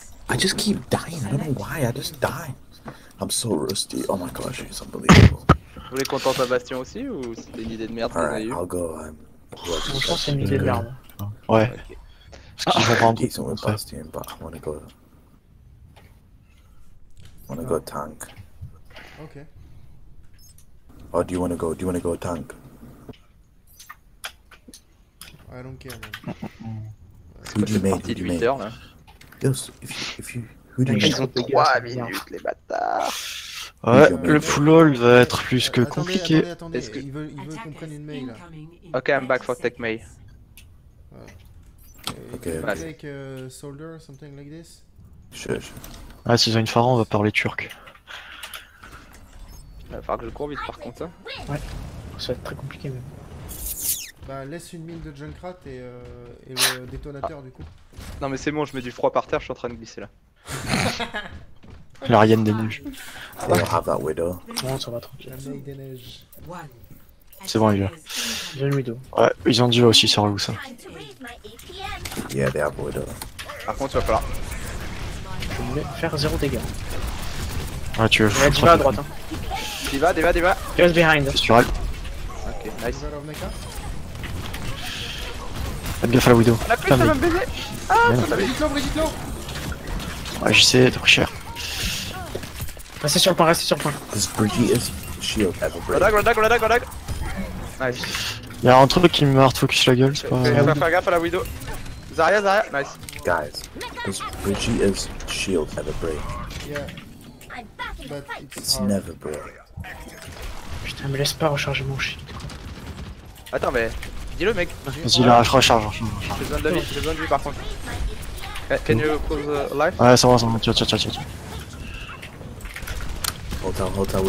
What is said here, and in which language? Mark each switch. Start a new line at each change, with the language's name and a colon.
English: I just keep dying, I don't know why, I just die. I'm so rusty, oh my gosh, it's unbelievable.
French: Vous voulez qu'on tente un bastion aussi, ou c'était une idée de merde?
English: Alright, I'll go, I'm...
French: Je pense que c'est une idée de merde. Ouais. Okay. Parce qu'il faut prendre un bastion,
English: but I wanna go... I wanna go tank. Okay. Oh, do you wanna go tank? I don't care, man. Who do you make? Who do you make? Yes, if you... Who do you make?
French: Ils ont 3 minutes, les bâtards. Ouais, le full hold va être plus que compliqué. Attendez, il veut qu'on prenne une May, là.
English: Okay, I'm back for take May. Okay. Can you take a soldier or something like this? Sure.
French: Ah, s'ils ont une pharaon, on va parler turc. Il va falloir que je cours vite par contre. Hein. Ouais, ça va être très compliqué même. Bah laisse une mine de Junkrat et le détonateur du coup. Non mais c'est bon, je mets du froid par terre, je suis en train de glisser là. La reine des neiges.
English: I don't have that widow.
French: Comment ça va tranquille. La reine des neiges. C'est bon, il y a. J'ai une widow. Ouais, ils ont dû aussi sur vous, ça.
English: Yeah, they have widow.
French: Par contre, il va falloir. Je vais faire zéro dégâts. Ouais, tu veux. Ouais, tu vas à droite, hein. Diva, Diva, Diva.
English: Just behind.
French: Sur elle.
English: Ok, nice.
French: Faites gaffe à la widow. La pute, elle va me baiser. Ah, ça t'avait dit l'eau, ouais, j'essaie de recherche. Restez sur le point, restez sur le point.
English: This bridge is shield ever break. Redag, redag, redag, redag. Nice.
French: Y'a un truc qui me hard focus la gueule, c'est pas... Faire gaffe à la widow. Zarya, Zarya, nice.
English: Guys, this bridge is shield ever break. Yeah. It's never break.
French: Putain, me laisse pas recharger mon shield. Attends, mais... Dis-le, mec. Vas-y, là, je recharge. J'ai besoin de vie, j'ai besoin de vie, par contre.
English: Can you close life?
French: Ouais, ça va, ça va. Tiens, tiens, tiens, tiens.
English: Hold on,